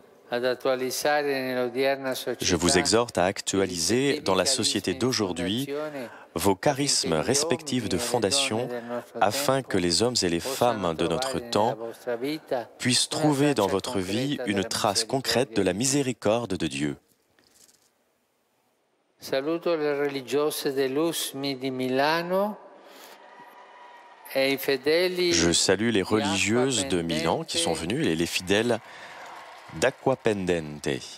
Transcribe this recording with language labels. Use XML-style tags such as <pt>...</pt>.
<fr>Je vous exhorte à actualiser dans la société d'aujourd'hui vos charismes respectifs de fondation afin que les hommes et les femmes de notre temps puissent trouver dans votre vie une trace concrète de la miséricorde de Dieu.</fr> <it>Saluto le religiose dell'USMI di Milano.</it> <fr>Je salue les religieuses de Milan qui sont venues et les fidèles d'Acquapendente.</fr>